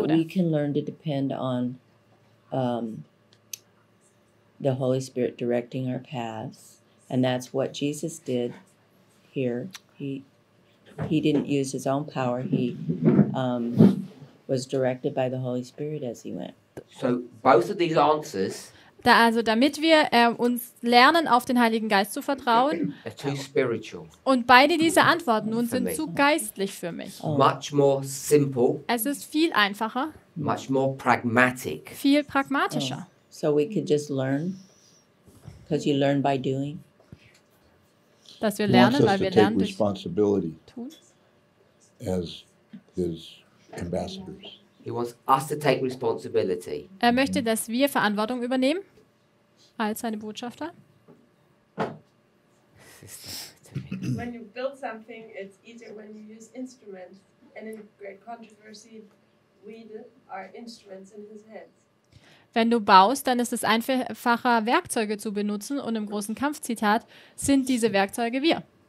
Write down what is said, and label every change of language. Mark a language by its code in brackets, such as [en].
[en] So that we can learn to depend on the Holy Spirit directing our paths, and that's what Jesus did here. He didn't use his own power. He was directed by the Holy Spirit as he went. So both of these answers. [de] Da also, damit wir uns lernen, auf den Heiligen Geist zu vertrauen. Und beide diese Antworten nun sind zu geistlich für mich. [en] Oh. Much more simple. [de] Es ist viel einfacher. [en] Much more pragmatic. [de] Viel pragmatischer. Oh. [en] So we could just learn, because you learn by doing. [de] Dass wir lernen, weil wir lernen durch tun. [en] As his ambassadors. He wants us to take responsibility. [de] Er möchte, dass wir Verantwortung übernehmen als seine Botschafter. [en] When you build something, it's easier when you use instruments. And in great controversy, we are instruments in his hands. [de] Wenn du baust, dann ist es einfacher, Werkzeuge zu benutzen. Und im großen Kampfzitat sind diese Werkzeuge wir.